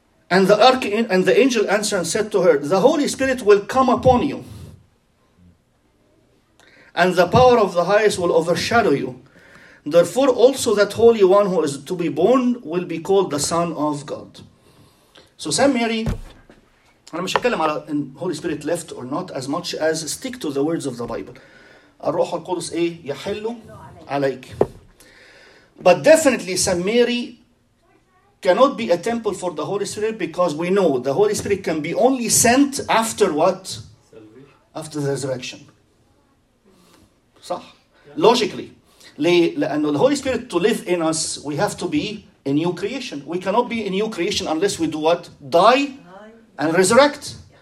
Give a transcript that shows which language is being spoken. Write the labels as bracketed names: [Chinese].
[English] And the angel answered and said to her, the Holy Spirit will come upon you, and the power of the highest will overshadow you. Therefore, also that Holy One who is to be born will be called the Son of God. So, Saint Mary, I'm not talking about the Holy Spirit left or not as much as stick to the words of the Bible. [Arabic] الروح القدس إيه يحلو عليك. [English] But definitely, Saint Mary cannot be a temple for the Holy Spirit, because we know the Holy Spirit can be only sent after what? After the resurrection. صح. Logically. And the Holy Spirit to live in us, we have to be a new creation. We cannot be a new creation unless we do what? Die and resurrect.